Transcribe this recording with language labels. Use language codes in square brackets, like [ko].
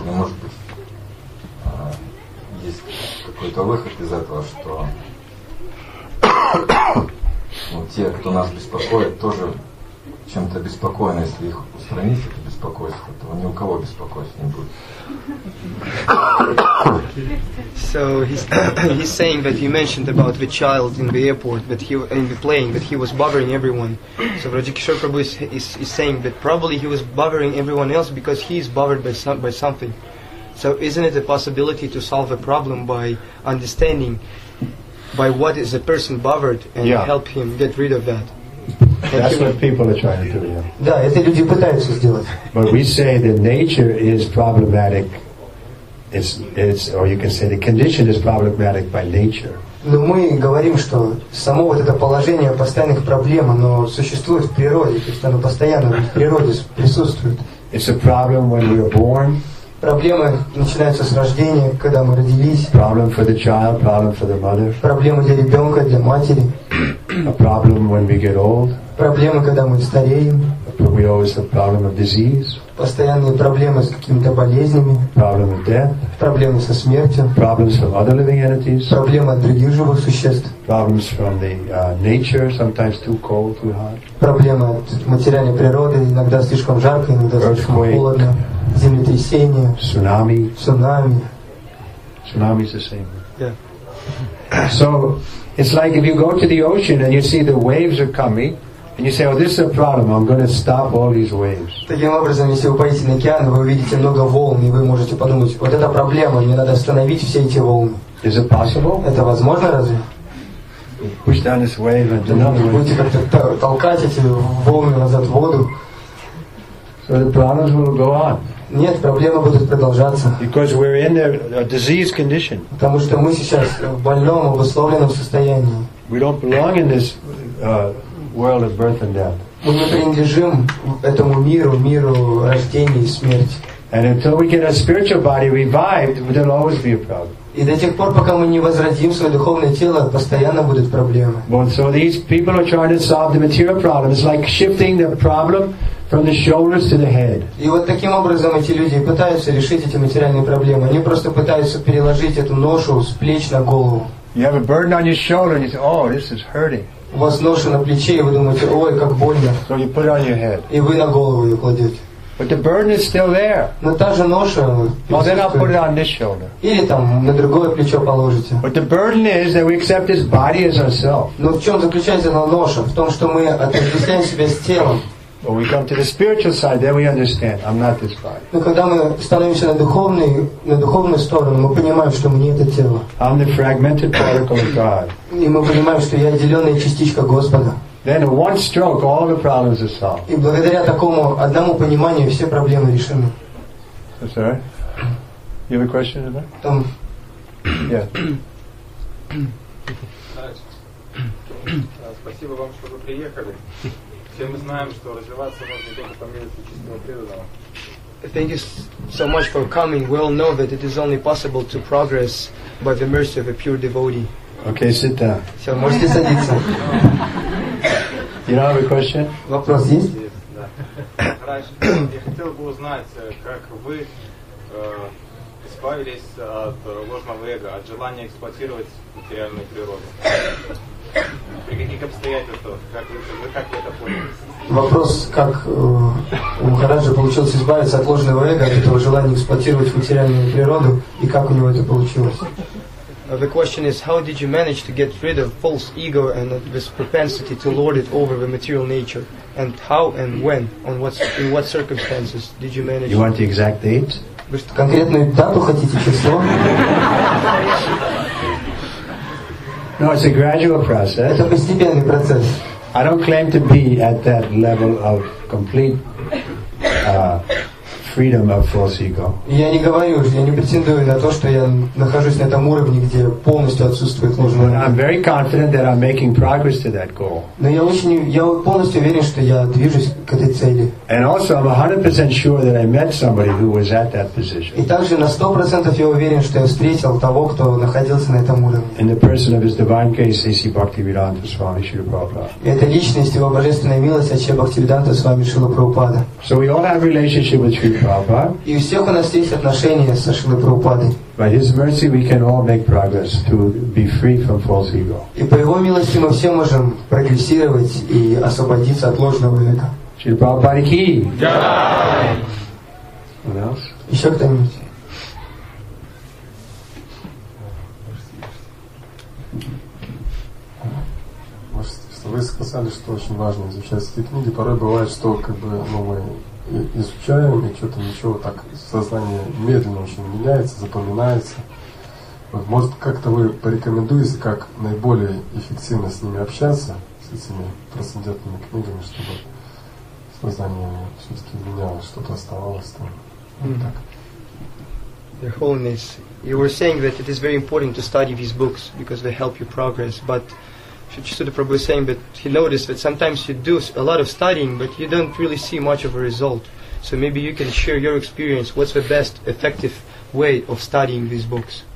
[ru] Не может быть, есть какой-то выход из этого, что ну, те, кто нас беспокоит, тоже чем-то беспокоены, если их устранить, это беспокойство, то ни у кого беспокойства не будет. [en] So he's saying that you mentioned about the child in the airport, that he in the plane, that he was bothering everyone. So Raja Kishore Prabhu is saying that probably he was bothering everyone else because he is bothered by something. So isn't it a possibility to solve a problem by understanding by what is a person bothered and yeah. help him get rid of that? That's what people are trying to do. [ru] Да, это люди пытаются сделать. [en] But we say that nature is problematic. It's or you can say the condition is problematic by nature. [ru] Но мы говорим, что само вот это положение постоянных проблем, оно существует в природе, то есть оно постоянно в природе присутствует. [en] It's a problem when we are born. [ru] Проблемы начинаются с рождения, когда мы родились. [en] Problem for the child, problem for the mother. [ru] Проблемы для ребенка, для матери. [en] A problem when we get old. [ru] Проблемы, когда мы стареем. [en] We always have problem of disease. [ru] Постоянные проблемы с какими-то болезнями. [en] Problem of death. [ru] Проблемы со смертью. [en] Problems from other living entities. [ru] Проблемы от других живых существ. [en] Problems from the nature, sometimes too cold, too hot. [ru] Проблемы от материальной природы, иногда слишком жарко, иногда слишком холодно. Землетрясения. Цунами. Цунами. [en] Цунами is the same. Yeah. So it's like if you go to the ocean and you see the waves are coming, and you say, "Oh, this is a problem. I'm going to stop all these waves." [ru] Таким образом, если вы поедете на океан, вы увидите много волн, и вы можете подумать: вот это проблема, мне надо остановить все эти волны. [en] Is it possible? [ru] Это возможно, разве? [en] push down this wave and another wave. [ru] Будете как-то толкать эти волны назад в воду. [en] So the problems will go on. [ru] Нет, проблемы будут продолжаться. [en] Because we're in a disease condition. [ru] Потому что мы сейчас в больном, обусловленном состоянии. [en] We don't belong in this world of birth and death. [ru] Мы не принадлежим этому миру, миру рождения и смерти. [en] And until we get our spiritual body revived, there'll always be a problem. [ru] И до тех пор, пока мы не возродим свое духовное тело, постоянно будут проблемы. [en] Well, so these people are trying to solve the material problem. It's like shifting the problem from the shoulders to the head. [ru] И вот таким образом эти люди пытаются решить эти материальные проблемы. Они просто пытаются переложить эту ношу с плеч на голову. [en] You have a burden on your shoulder, and you say, "Oh, this is hurting." [ru] У вас ноша на плече, и вы думаете, ой, как больно. [en] So you put it on your head. [ru] И вы на голову ее кладете. [en] But the burden is still there. [ru] Но та же ноша. [en] Well, then I'll put it on this shoulder. [ru] Или там на другое плечо положите. [en] But the burden is that we accept this body as ourselves. [ru] Но в чем заключается эта ноша? В том, что мы отождествляем себя с телом. [en] When we come to the spiritual side, then we understand, I'm not this body. [ru] Но когда мы становимся на духовную сторону, мы понимаем, что мы не это тело. [en] I'm the fragmented particle of God. [ru] И мы понимаем, что я отделенная частичка Господа. [en] Then in one stroke, all the problems are solved. [ru] И благодаря такому одному пониманию все проблемы решены. [en] That's right. You have a question in there? [ru] Там. [en] Yeah. [ru] Спасибо вам, что вы приехали. Все мы знаем, что развиваться можно только по мере чистого преданного. [en] Thank you so much for coming. We all know that it is only possible to progress by the mercy of a pure devotee. Okay, sit down. [ru] Все, можете садиться. [en] You don't have a question? [ru] Вопрос есть? Есть, да. Раньше я хотел бы узнать, как вы избавились от ложного эго, от желания эксплуатировать материальную природу. При каких обстоятельствах? Как вы это поняли? Вопрос, как у Махараджа получилось избавиться от ложного эго, от этого желания эксплуатировать материальную природу, и как у него это получилось? The question is, how did you manage to get rid of false ego and this propensity to lord it over the material nature? And how and when, in what circumstances did you manage? [en] You want the exact date? [ru] Конкретную дату хотите, число? [en] No, it's a gradual process. [ru] Это постепенный процесс. [en] I don't claim to be at that level of complete freedom of false ego. [ru] Я не говорю, я не претендую на то, что я нахожусь на этом уровне, где полностью отсутствует ложное [en] эго. I'm very confident that I'm making progress to that goal. [ru] Но я полностью уверен, что я движусь к этой цели. [en] And also, I'm 100% sure that I met somebody who was at that position. [ru] И также на 100% я уверен, что я встретил того, кто находился на этом уровне. [en] In the person of His Divine Grace, Sisi Bhaktivedanta Swami Srila Prabhupada. [ru] Это личность Его Божественной Милости, Ача Бхактивиданта Свами Шрила Прабхупада. [en] So we all have relationship with Shri [ru] И у всех у нас есть отношения со Шрилой Прабхупадой. [en] By His mercy, we can all make progress to be free from false ego. [ru] И по Его милости мы все можем прогрессировать и освободиться от ложного эго. Шрила Прабхупада ки. Джай. [en] What else? [ru] Еще кто-нибудь? Что вы сказали, что очень важно изучать эти книги. Порой бывает, что мы изучаем, и что-то ничего, так сознание медленно очень меняется, запоминается. Вот, может, как-то вы порекомендуете, как наиболее эффективно с ними общаться, с этими трансцендентными книгами, чтобы сознание все-таки менялось, что-то оставалось там. [en] Your Holiness, you were saying that it is very important to study these books, because they help you progress, but Chisuddha Prabhu was saying that he noticed that sometimes you do a lot of studying, but you don't really see much of a result. So maybe you can share your experience. What's the best effective way of studying these books?